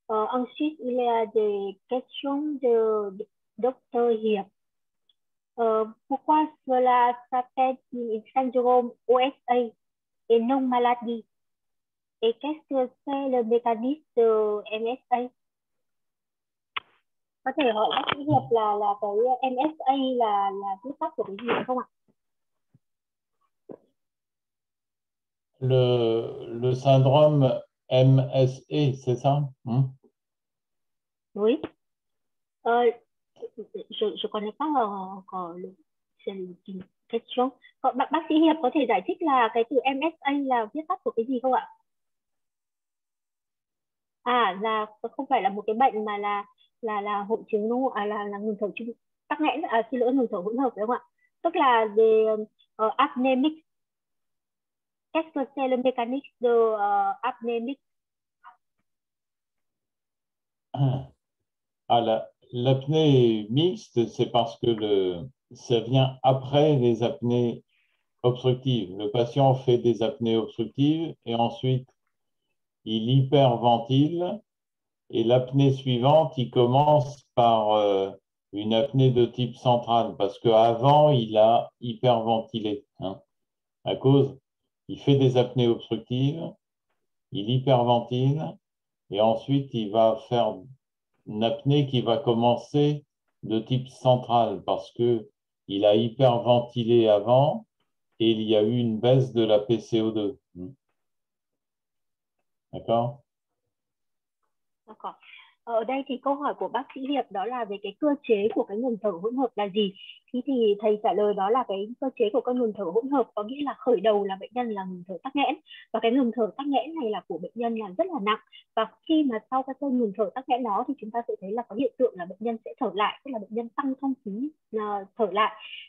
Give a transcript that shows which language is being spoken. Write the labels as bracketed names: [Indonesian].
[French] Ensuite, il y a des questions de docteur Hiệp. Pourquoi cela s'appelle syndrome OSA et non maladie? Et qu'est-ce que c'est le mécanisme de MSA? [Vietnamese] Có thể hỏi bác sĩ Hiệp là cái MSA là viết tắt của cái gì không ạ? [French] Le syndrome MSA, c'est ça? Oui. Je connais pas encore la question. [Vietnamese] Bác sĩ Hiệp có thể giải thích là cái từ MSA là viết tắt của cái gì không ạ? À, là không phải là một cái bệnh mà là hội chứng đúng không? À, là ngừng thở chung tắc nghẽn, à, xin lỗi, ngừng thở hỗn hợp đúng không ạ? Tức là the apneic. [French] Qu'est-ce que c'est le mécanisme de apneic? Ah, l'apnée mixte, c'est parce que ça vient après les apnées obstructives. Le patient fait des apnées obstructives et ensuite il hyperventile. Et l'apnée suivante, il commence par une apnée de type central parce qu'avant il a hyperventilé. Hein, à cause, il fait des apnées obstructives, il hyperventile et ensuite il va faire une apnée qui va commencer de type central parce que il a hyperventilé avant et il y a eu une baisse de la PCO2. D'accord? D'accord. [Vietnamese] Ở đây thì câu hỏi của bác sĩ Hiệp đó là về cái cơ chế của cái ngừng thở hỗn hợp là gì? Thì thầy trả lời đó là cái cơ chế của cái ngừng thở hỗn hợp có nghĩa là khởi đầu là bệnh nhân là ngừng thở tắc nghẽn, và cái ngừng thở tắc nghẽn này là của bệnh nhân là rất là nặng, và khi mà sau cái cơn ngừng thở tắc nghẽn đó thì chúng ta sẽ thấy là có hiện tượng là bệnh nhân sẽ thở lại, tức là bệnh nhân tăng thông khí thở lại.